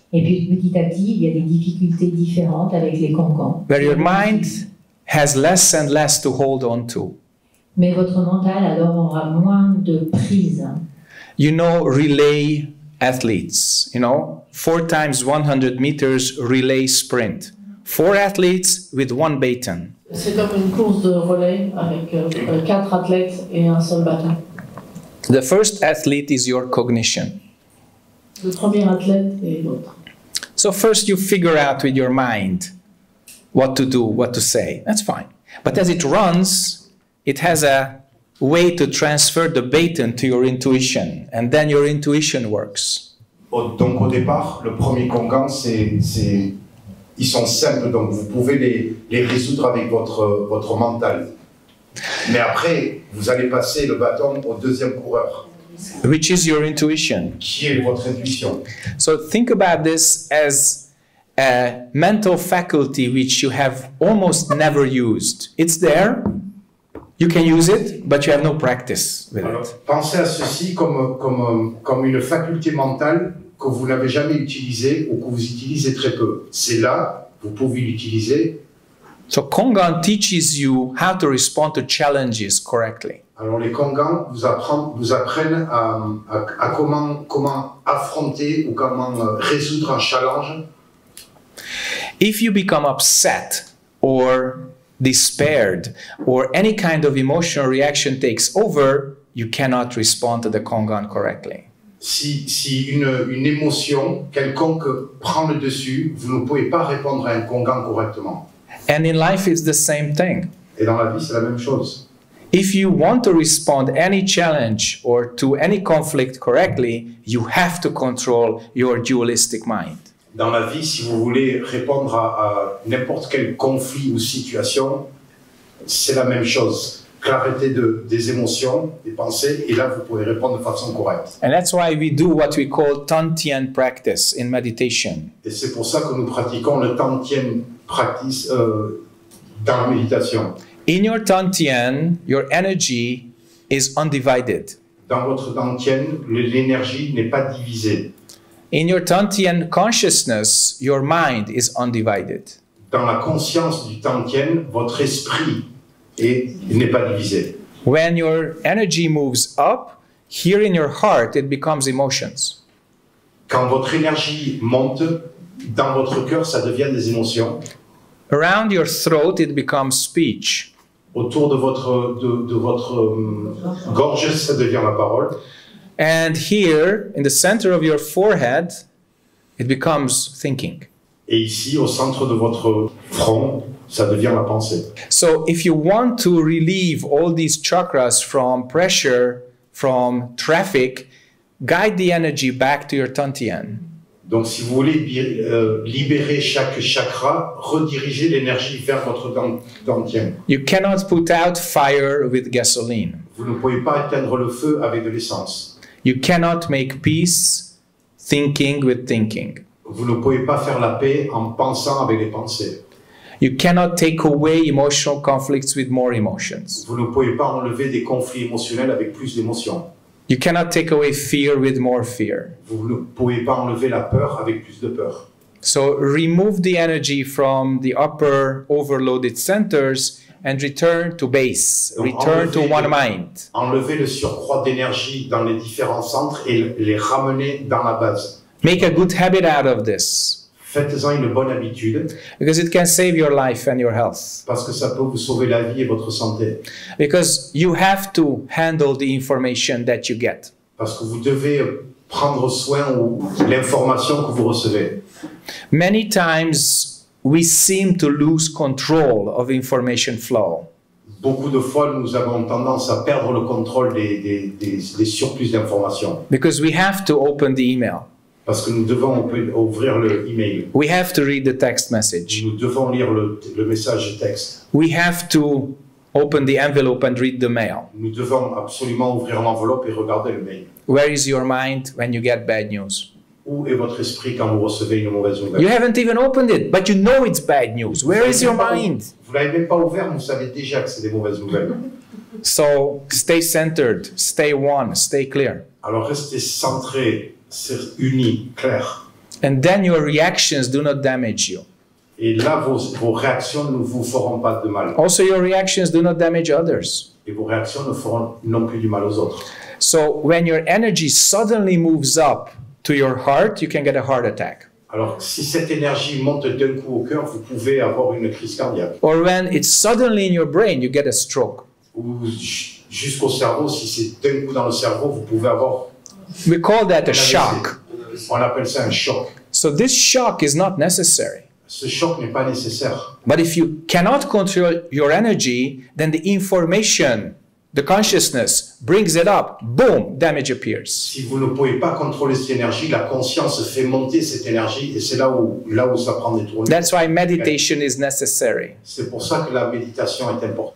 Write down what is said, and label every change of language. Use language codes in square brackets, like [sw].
[fr] Et puis petit à petit, il y a des difficultés différentes avec les Kongan. [en] Where your mind has less and less to hold on to. [fr] Mais votre mental alors aura moins de prise. [en] You know relay athletes, you know, 4 times 100 meters relay sprint. 4 athletes with one baton. [fr] C'est comme une course de relais avec 4 athlètes et un seul bâton. [en] The first athlete is your cognition. [fr] Le premier athlète est l'autre. [en] So first you figure out with your mind what to do, what to say. That's fine. But as it runs, it has a way to transfer the baton to your intuition, and then your intuition works. [fr] Donc au départ, le premier Kongan, c'est ils sont simples, donc vous pouvez les résoudre avec votre mental. Mais après, vous allez passer le bâton au deuxième coureur. [en] Which is your intuition. [fr] Qui est votre intuition. [en] So think about this as a mental faculty which you have almost never used. It's there, you can use it, but you have no practice with it. [fr] Alors, pensez à ceci comme une faculté mentale que vous n'avez jamais utilisée ou que vous utilisez très peu. C'est là, vous pouvez l'utiliser. [en] So Kongan teaches you how to respond to challenges correctly. [fr] Alors les Kongan vous apprennent à comment affronter ou comment résoudre un challenge. [en] If you become upset or despaired or any kind of emotional reaction takes over, you cannot respond to the Kongan correctly. [fr] Si une émotion quelconque prend le dessus, vous ne pouvez pas répondre à un Kongan correctement. [en] And in life it's the same thing. [fr] Et dans la vie, c'est la même chose. [en] If you want to respond any challenge or to any conflict correctly, you have to control your dualistic mind. [fr] Dans la vie, si vous voulez répondre à n'importe quel conflit ou situation, c'est la même chose. Clarité des émotions, des pensées, et là vous pouvez répondre de façon correcte. [en] And that's why we do what we call Tantian practice in meditation. [fr] Et c'est pour ça que nous pratiquons le Tantian practice dans la méditation. [en] In your Tantian, your energy is undivided. [fr] Dans votre Tantian, l'énergie n'est pas divisée. [en] In your Tantian consciousness, your mind is undivided. [fr] Dans la conscience du Tantian, votre esprit n'est pas divisé. [en] When your energy moves up, here in your heart, it becomes emotions. [fr] Quand votre énergie monte, dans votre cœur, ça devient des émotions. [en] Around your throat, it becomes speech. [fr] Autour de votre gorge, ça devient la parole. [en] And here, in the center of your forehead, it becomes thinking. [fr] Et ici, au centre de votre front, ça devient la pensée. [en] So if you want to relieve all these chakras from pressure, from traffic, guide the energy back to your Tantian. [fr] Donc si vous voulez libérer chaque chakra, redirigez l'énergie vers votre Tantian. [en] You cannot put out fire with gasoline. [fr] Vous ne pouvez pas éteindre le feu avec de l'essence. [en] You cannot make peace thinking with thinking. [fr] Vous ne pouvez pas faire la paix en pensant avec les pensées. [en] You cannot take away emotional conflicts with more emotions. [fr] Vous ne pouvez pas enlever des conflits émotionnels avec plus d'émotions. [en] You cannot take away fear with more fear. [fr] Vous ne pouvez pas enlever la peur avec plus de peur. [en] So remove the energy from the upper overloaded centers and return to base, return to one mind. [fr] Enlever le surcroît d'énergie dans les différents centres et les ramener dans la base. [en] Make a good habit out of this. [fr] Faites-en une bonne habitude. [en] Because it can save your life and your health. [fr] Parce que ça peut vous sauver la vie et votre santé. [en] Because you have to handle the information that you get. [fr] Parce que vous devez prendre soin de l'information que vous recevez. [en] Many times we seem to lose control of information flow. [fr] Beaucoup de fois, nous avons tendance à perdre le contrôle des surplus d'informations. [en] Because we have to open the email. [fr] Parce que nous devons ouvrir le email. [en] We have to read the text message. [fr] Nous devons lire le message texte. [en] We have to open the envelope and read the mail. [fr] Nous devons absolument ouvrir l'enveloppe et regarder le mail. [en] Where is your mind when you get bad news? [fr] Où est votre esprit quand vous recevez une mauvaise nouvelle? [en] You haven't even opened it, but you know it's bad news. Where is your mind? [fr] Vous l'avez même pas ouvert, vous savez déjà que c'est des mauvaises nouvelles. [en] So stay centered, stay one, stay clear. [fr] Alors restez centré, uni, clair. [en] And then your reactions do not damage you. [fr] Et là vos réactions ne vous feront pas de mal. [en] Also your reactions do not damage others. [fr] Et vos réactions ne feront non plus du mal aux autres. [en] So when your energy suddenly moves up to your heart, you can get a heart attack. [fr] Alors, si cette énergie monte d'un coup au cœur, vous pouvez avoir une crise cardiaque. [en] Or when it's suddenly in your brain, you get a stroke. [fr] Ou jusqu'au cerveau, si c'est d'un coup dans le cerveau, vous pouvez avoir. [en] We call that a shock. [fr] On appelle ça un choc. [en] So this shock is not necessary. [fr] Ce choc n'est pas nécessaire. [en] But if you cannot control your energy, then the information, the consciousness brings it up, boom, damage appears. [fr] Si vous ne pouvez pas contrôler cette énergie, la conscience fait monter cette énergie et c'est là où ça prend des tournures. [en] That's why meditation is necessary. [fr] C'est pour ça que la méditation est importante.